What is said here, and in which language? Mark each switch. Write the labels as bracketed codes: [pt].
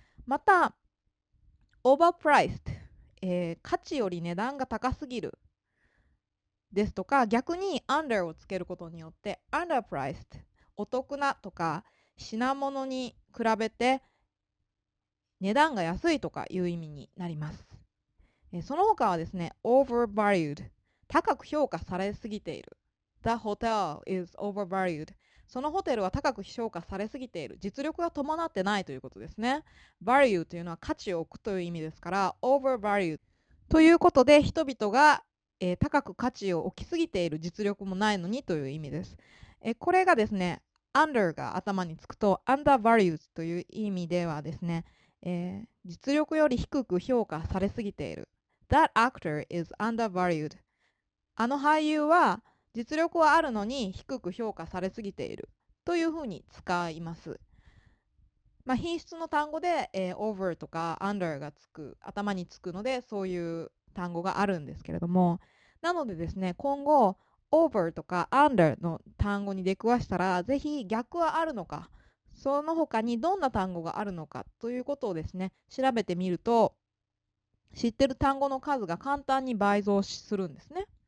[ja] また overpriced、価値より値段が高すぎるですとか、逆に under をつけることによって underpriced、 お得なとか品物に比べて値段が安いとかいう意味になります。その他はですね、overvalued、 高く評価されすぎている [en] The hotel is overvalued. [ja] そのホテルは高く評価されすぎている。実力が伴ってないということですね。 Value というのは価値を置くという意味ですから、overvalued ということで、人々が、高く価値を置きすぎている、実力もないのにという意味です。これがですね、under が頭につくと、undervalued という意味ではですね、実力より低く評価されすぎている。 [en] That actor is undervalued. [ja] あの俳優は実力はあるのに低く評価されすぎているというふうに使います。まあ、品質の単語で、over とか under がつく、頭につくのでそういう単語があるんですけれども、なのでですね、今後 over とか under の単語に出くわしたら、ぜひ逆はあるのか、その他にどんな単語があるのかということをですね、調べてみると、知ってる単語の数が簡単に倍増するんですね。